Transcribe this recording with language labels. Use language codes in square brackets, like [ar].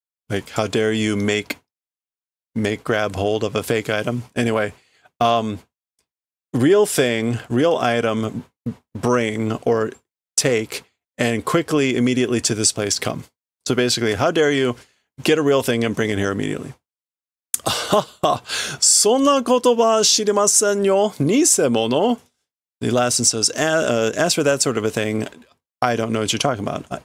[en] Like, how dare you make grab hold of a fake item? Anyway, real thing, real item, bring or take, and quickly, immediately to this place come. So basically, how dare you get a real thing and bring it here immediately? [ja] そんな言葉知りませんよ. Nisemono. [en] The Lassen says, as for that sort of a thing, I don't know what you're talking about.